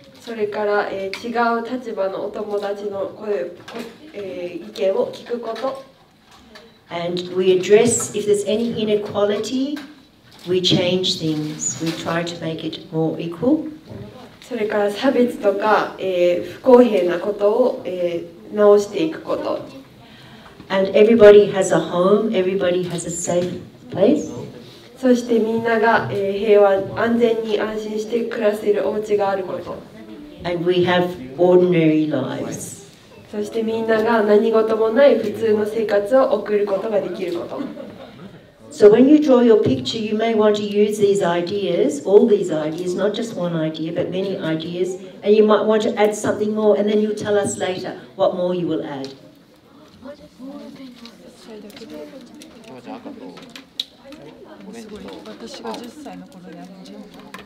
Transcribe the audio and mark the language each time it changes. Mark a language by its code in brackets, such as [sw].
[ja] それから、違う立場のお友達の声、意見を聞くこと。 [en] And we address if there's any inequality, we change things. We try to make it more equal. [ja] それから差別とか、不公平なことを、直していくこと。 [en] And everybody has a home. Everybody has a safe place. [ja] そしてみんなが平和、安全に安心して暮らせるお家があること。 [en] And we have ordinary lives. [ja] そしてみんなが何事もない普通の生活を送ることができること。 [en] So when you draw your picture, you may want to use these ideas, all these ideas, not just one idea, but many ideas, and you might want to add something more, and then you'll tell us later what more you will add. [ja] 私が10歳の頃にあの準備